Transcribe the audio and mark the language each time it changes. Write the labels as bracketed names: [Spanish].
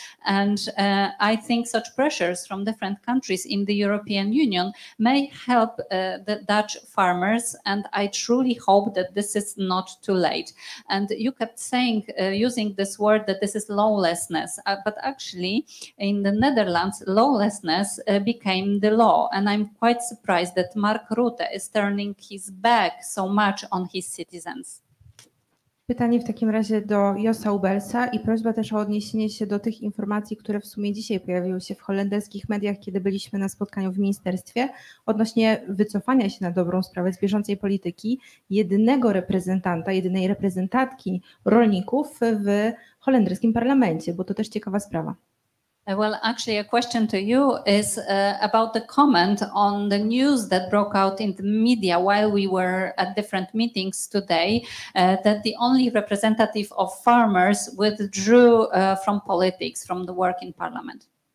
[English] And I think such pressures from different countries in the European Union may help the Dutch farmers, and I truly hope that this is not too late. And you kept saying, using this word, that this is lawlessness, but actually in the Netherlands, lawlessness became the law. And I'm quite surprised that Mark Rutte is turning his back so much on his citizens. [Polish] Pytanie w takim razie do Josa Ubelsa i prośba też o odniesienie się do tych informacji, które w sumie dzisiaj pojawiły się w holenderskich mediach, kiedy byliśmy na spotkaniu w ministerstwie, odnośnie wycofania się na dobrą sprawę z bieżącej polityki jedynego reprezentanta, jedynej reprezentantki rolników w holenderskim parlamencie, bo to też ciekawa sprawa. [English] Well, actually, a question to you is about the comment on the news that broke out in the media while we were at different meetings today, that the only representative of farmers withdrew from politics, from the work in parliament.